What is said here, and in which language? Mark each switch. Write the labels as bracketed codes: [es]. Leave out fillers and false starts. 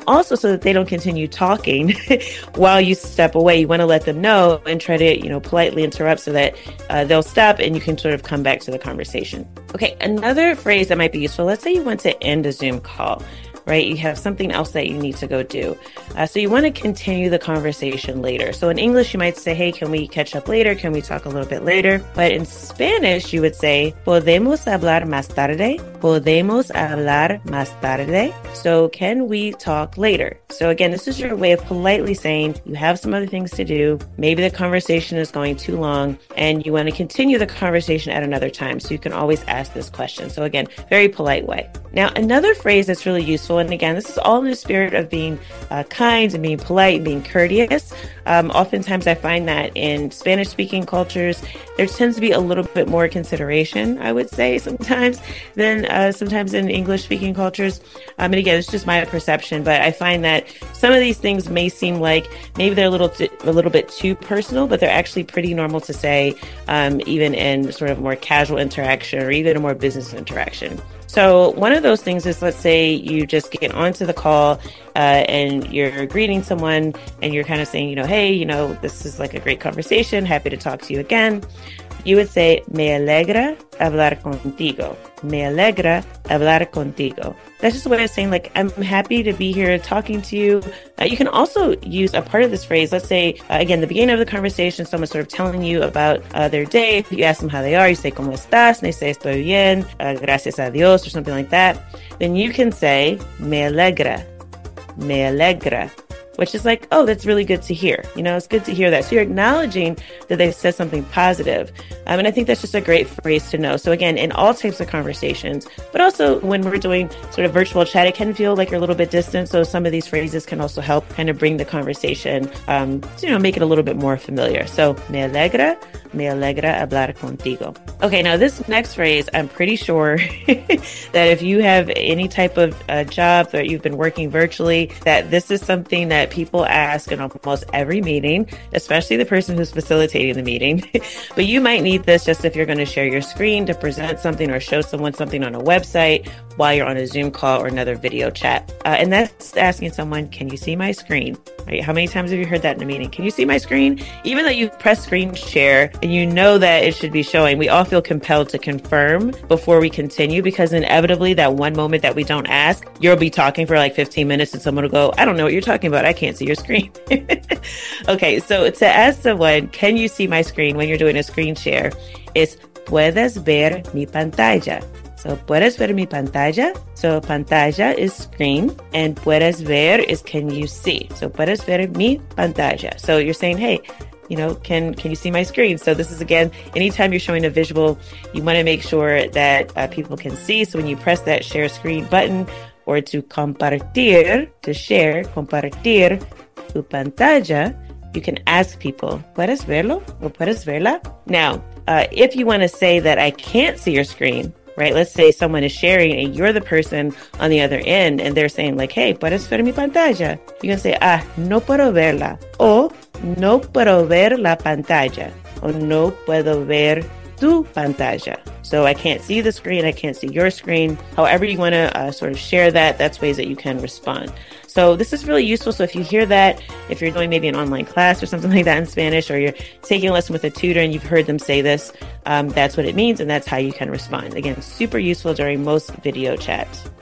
[en] Also, so that they don't continue talking while you step away, you want to let them know and try to, you know, politely interrupt so that they'll stop and you can sort of come back to the conversation. Okay, another phrase that might be useful. Let's say you want to end a Zoom call. Right? You have something else that you need to go do. So you want to continue the conversation later. So in English, you might say, hey, can we catch up later? Can we talk a little bit later? But in Spanish, you would say, [es] ¿podemos hablar más tarde? ¿Podemos hablar más tarde? [en] So can we talk later? So again, this is your way of politely saying you have some other things to do. Maybe the conversation is going too long and you want to continue the conversation at another time. So you can always ask this question. So again, very polite way. Now, another phrase that's really useful, and again, this is all in the spirit of being kind and being polite and being courteous. Oftentimes, I find that in Spanish-speaking cultures, there tends to be a little bit more consideration, I would say, sometimes than sometimes in English-speaking cultures. And again, it's just my perception, but I find that some of these things may seem like maybe they're a little bit too personal, but they're actually pretty normal to say, even in sort of more casual interaction or even a more business interaction. So one of those things is, let's say you just get onto the call and you're greeting someone and you're kind of saying, you know, hey, you know, this is like a great conversation. Happy to talk to you again. You would say, [es] me alegra hablar contigo. Me alegra hablar contigo. [en] That's just a way of saying, like, I'm happy to be here talking to you. You can also use a part of this phrase. Let's say, again, the beginning of the conversation, someone's sort of telling you about their day. You ask them how they are. You say, [es] ¿cómo estás? [en] And they say, [es] estoy bien. Gracias a Dios, [en] or something like that. Then you can say, [es] me alegra. Me alegra. [en] Which is like, oh, that's really good to hear. You know, it's good to hear that. So you're acknowledging that they said something positive. And I think that's just a great phrase to know. So again, in all types of conversations, but also when we're doing sort of virtual chat, it can feel like you're a little bit distant. So some of these phrases can also help kind of bring the conversation, to, you know, make it a little bit more familiar. [es] So me alegra hablar contigo. [en] Okay, now this next phrase, I'm pretty sure that if you have any type of job that you've been working virtually, that this is something that people ask in almost every meeting, especially the person who's facilitating the meeting. But you might need this just if you're going to share your screen to present something or show someone something on a website while you're on a Zoom call or another video chat. And that's asking someone, can you see my screen? right? How many times have you heard that in a meeting? Can you see my screen? Even though you press screen share and you know that it should be showing, we all feel compelled to confirm before we continue, because inevitably that one moment that we don't ask, you'll be talking for like 15 minutes and someone will go, I don't know what you're talking about. I can't see your screen. Okay, so to ask someone, can you see my screen when you're doing a screen share? [es] It's puedes ver mi pantalla. So, puedes ver mi pantalla? [en] So, pantalla is screen, and puedes ver is can you see? [es] So, puedes ver mi pantalla? [en] So, you're saying, hey, you know, can you see my screen? So, this is, again, anytime you're showing a visual, you want to make sure that people can see. So, when you press that share screen button, or to compartir, to share, [es] compartir tu pantalla, [en] you can ask people, [es] puedes verlo? Or puedes verla? [en] Now, if you want to say that I can't see your screen, right? Let's say someone is sharing and you're the person on the other end and they're saying like, hey, [es] ¿puedes ver mi pantalla? [en] You can say, [es] ah, no puedo verla. O no puedo ver la pantalla. O no puedo ver tu pantalla. [en] So I can't see the screen. I can't see your screen. However you want to sort of share that, that's ways that you can respond. So this is really useful. So if you hear that, if you're doing maybe an online class or something like that in Spanish, or you're taking a lesson with a tutor and you've heard them say this, that's what it means. And that's how you can respond. Again, super useful during most video chats.